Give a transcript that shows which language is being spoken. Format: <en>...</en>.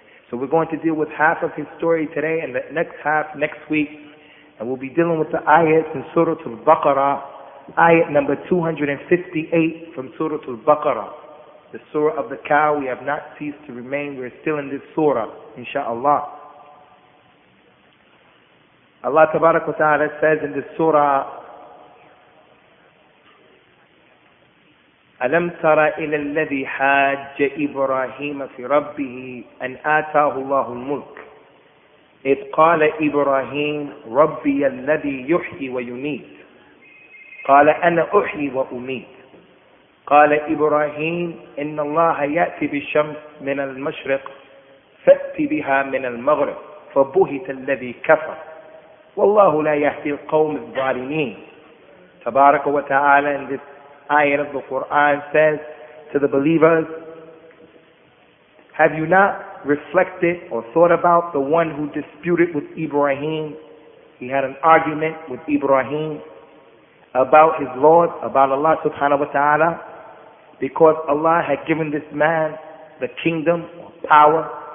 <en>So we're going to deal with half of his story today and the next half next week. And we'll be dealing with the ayat in Surah Al-Baqarah, ayat number 258 from Surah Al-Baqarah, the Surah of the Cow. We have not ceased to remain. We're still in this surah, inshallah. Allah tabarak wa ta'ala says in this surah,</en> <ar>أَلَمْ تَرَ إِلَى الَّذِي حَاجَّ إِبْرَاهِيمَ فِي رَبِّهِ أَنْ آتَاهُ اللَّهُ الْمُلْكِ إِذْ قَالَ إِبْرَاهِيمُ رَبِّيَ الَّذِي يُحْيِي وَيُمِيتُ قَالَ أَنَا أُحْيِي وَأُمِيتُ قَالَ إِبْرَاهِيمُ إِنَّ اللَّهَ يَأْتِي بِالشَّمْسِ مِنَ الْمَشْرِقِ فَأْتِ بِهَا مِنَ الْمَغْرِبِ فَبُهِتَ الَّذِي كَفَرَ وَاللَّهُ لَا يَهْدِي الْقَوْمِ الظَّالِمِينَ.</ar> <en>Tabaraka wa ta'ala, in this ayat of the Quran says to the believers, have you not reflected or thought about the one who disputed with Ibrahim? He had an argument with Ibrahim about his Lord, about Allah subhanahu wa ta'ala, because Allah had given this man the kingdom or power.</en>